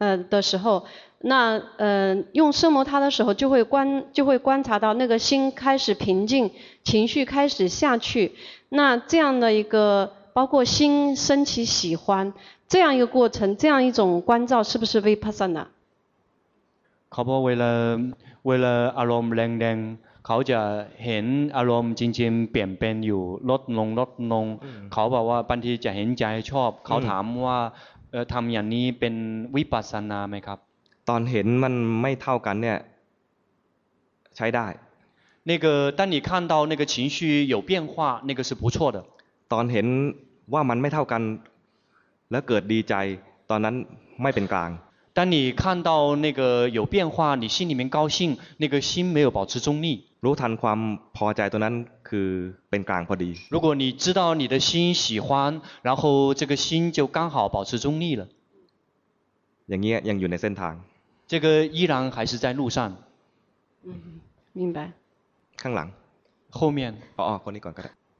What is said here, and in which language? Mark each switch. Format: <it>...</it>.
<zh>的时候，那用奢摩他的时候，就会观察到那个心开始平静，情绪开始下去。那这样的一个包括心升起喜欢这样一个过程，这样一种关照，是不是 vipassana？可不为了阿罗姆亮亮，</zh> <th>เขาจะเห็นอารมณ์จริงๆเปลี่ยนเป็นอยู่ลดลงลดลงเขาบอกว่าบางทีจะเห็นใจชอบเขาถามว่าทำอย่างนี้เป็นวิปัสสนาไหมครับ ตอนเห็นมันไม่เท่ากันเนี่ยใช้ได้</th> <zh>那个当你看到那个情绪有变化那个是不错的</zh> <th>ตอนเห็นว่ามันไม่เท่ากันแล้วเกิดดีใจตอนนั้นไม่เป็นกลาง</th> <zh>แต่你看到那个有变化你心里面高兴那个心没有保持中立</zh> <th>รู้ทันความพอใจตัวนั้นคือเป็นกลางพอดี</th> <zh>如果你知道你的心喜欢然后这个心就刚好保持中立了</zh> <th>อย่างเงี้ยยังอยู่ในเส้นทาง</th> <zh>这个依然还是在路上明白</zh> <th>ข้างหลัง</th> <zh>后面</zh> <th>อ๋อคนนี้ก่อนก็ได้</th>